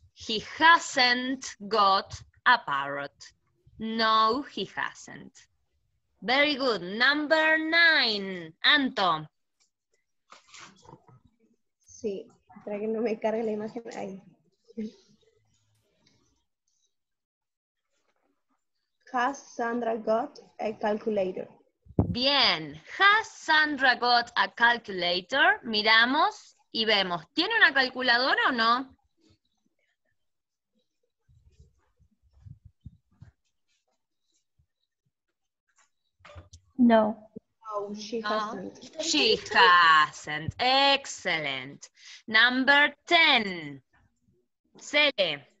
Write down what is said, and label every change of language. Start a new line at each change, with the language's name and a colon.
English: He hasn't got a parrot. No, he hasn't. Very good. Number 9. Anto.
Spanish: Sí. Para que no me cargue la imagen ahí.
English: Has Sandra got a calculator?
Spanish: Bien.
English: Has Sandra got a calculator?
Spanish: Miramos y vemos. ¿Tiene una calculadora o no? No.
English: Oh, she hasn't. She hasn't. Excellent. Number 10. Cele.